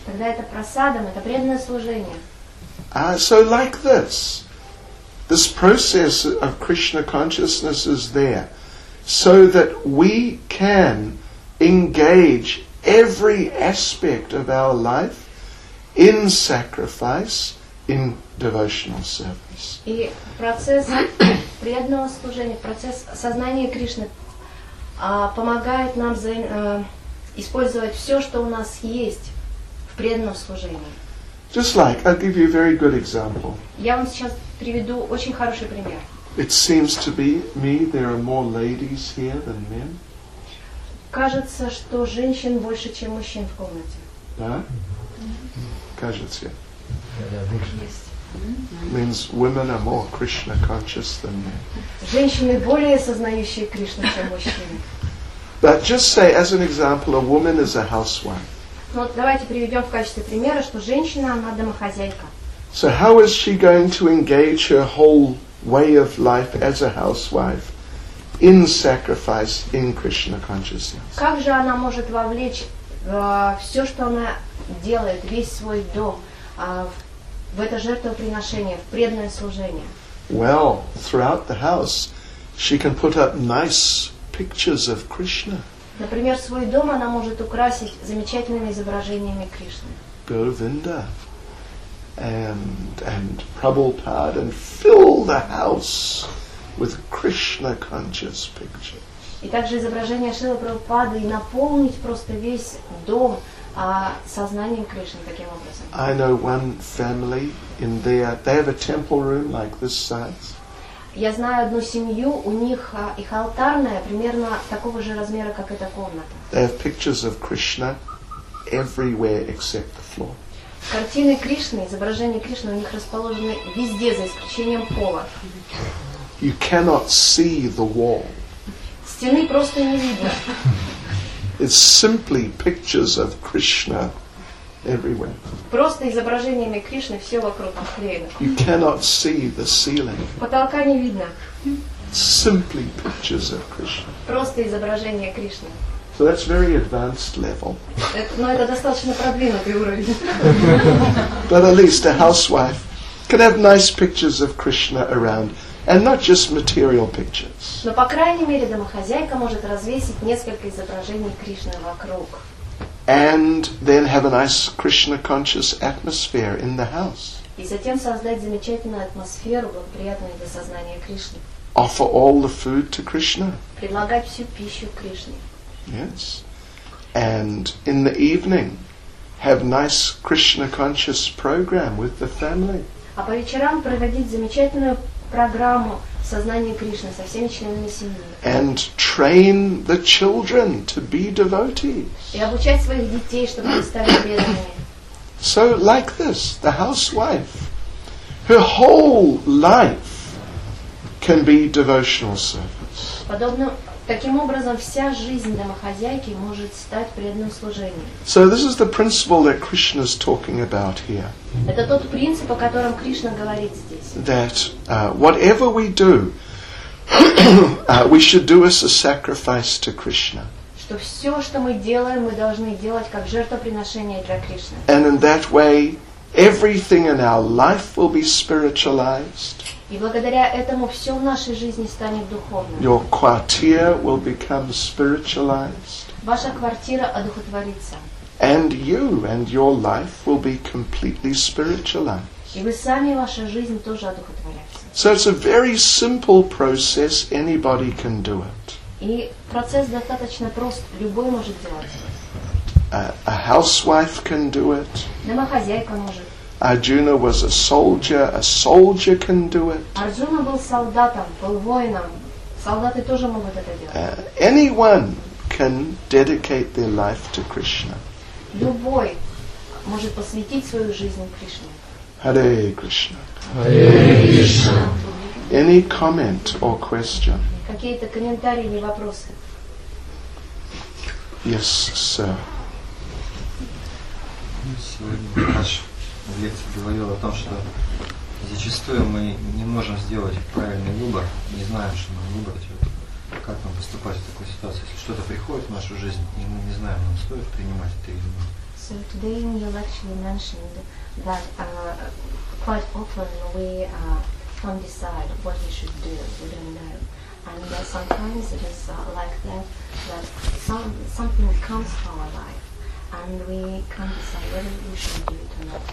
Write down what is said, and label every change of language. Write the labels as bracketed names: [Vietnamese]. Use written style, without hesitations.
[Russian] Тогда это прасадам, это преданное служение. [English] So like this, this process of Krishna consciousness is there, so that we can engage every aspect of our life in sacrifice, in devotional service. [Russian] И процесс преданного служения, процесс сознания Кришны помогает нам использовать все, что у нас есть в преданном служении. [English] Just like, I'll give you a very good example. [Russian] Я вам сейчас приведу очень хороший пример. [English] It seems to be me, there are more ladies here than men. [Russian] Кажется, что женщин больше, чем мужчин в комнате. Да? Mm-hmm. Кажется. Да, больше. [English] Means women are more Krishna conscious than men. [Russian] Женщины более сознающие Кришну, чем мужчины. [English] But just say, as an example, a woman is a housewife. [Russian] Ну, вот давайте приведем в качестве примера, что женщина, она домохозяйка. [English] So how is she going to engage her whole way of life as a housewife? In sacrifice, in Krishna consciousness. [Russian] Как же она может вовлечь все, что она делает, весь свой дом, в это жертвоприношение, в преданное служение? [English] Well, throughout the house, she can put up nice pictures of Krishna. [Russian] Например, свой дом она может украсить замечательными изображениями Кришны. [English] Govinda and Prabhupada and fill the house with Krishna conscious pictures. [Russian] И также изображение Шрилы Прабхупады и наполнить просто весь дом сознанием Кришны таким образом. [English] I know one family in there. They have a temple room like this size. [Russian] Я знаю одну семью, у них их алтарная примерно такого же размера, как эта комната. [English] They have pictures of Krishna everywhere except the floor. [Russian] Картины Кришны, изображения Кришны у них расположены везде, за исключением пола. [English] You cannot see the wall. [Russian] Стены просто не видно. [English] It's simply pictures of Krishna everywhere. [Russian] Просто изображениями Кришны все вокруг обклеено. [English] You cannot see the ceiling. [Russian] Потолка не видно. [English] Simply pictures of Krishna. [Russian] Просто изображения Кришны. [English] So that's very advanced level. [Russian] Но это достаточно продвинутый уровень. [English] But at least a housewife can have nice pictures of Krishna around, and not just material pictures. [Russian] Но по крайней мере домохозяйка может развесить несколько изображений Кришны вокруг. [English] And then have a nice Krishna conscious atmosphere in the house. [Russian] И затем создать замечательную атмосферу, благоприятную для сознания Кришны. [English] Offer all the food to Krishna. [Russian] Предлагать всю пищу Кришне. [English] Yes. And in the evening have nice Krishna conscious program with the family. [Russian] А по вечерам проводить замечательную программу сознания Кришны со всеми членами семьи. [English] And train the children to be devotees. [Russian] И обучать своих детей, чтобы они стали преданными. [English] So like this, the housewife, her whole life can be devotional service. [Russian] Подобно таким образом вся жизнь домохозяйки может стать преданным служением. [English] So this is the principle that Krishna is talking about here. [Russian] Это тот принцип, о котором Кришна говорит здесь. [English] That whatever we do, we should do as a sacrifice to Krishna. [Russian] Что все, что мы делаем, мы должны делать как жертвоприношение для Кришны. [English] And in that way, everything in our life will be spiritualized. [Russian] И благодаря этому все в нашей жизни станет духовным. [English] Your quartier will become spiritualized. [Russian] Ваша квартира одухотворится. [English] And you and your life will be completely spiritualized. [Russian] И вы сами, ваша жизнь тоже одухотворяется. [English] So it's a very simple process, anybody can do it. [Russian] И процесс достаточно прост, любой может делать. [English] A housewife can do it. [Russian] Домохозяйка может. [English] Arjuna was a soldier. A soldier can do it. [Russian] Арджуна был солдатом, был воином. Солдаты тоже могут это делать. [English] Anyone can dedicate their life to Krishna. [Russian] Любой может посвятить свою жизнь Кришне. [English] Hare Krishna. Hare Krishna. Any comment or question? [Russian] Какие-то комментарии или вопросы? [English] Yes, sir. [Russian] В лекции говорил о том, что зачастую мы не можем сделать правильный выбор, не знаем, что нам выбрать, вот, как нам поступать в такой ситуации. Если что-то приходит в нашу жизнь, и мы не знаем, нам стоит принимать это или нет. [English] So today in your lecture you mentioned that quite often we can't decide what we should do, we don't know. And sometimes it is like that, that something comes to our life. And we can't decide whether we should do it or not.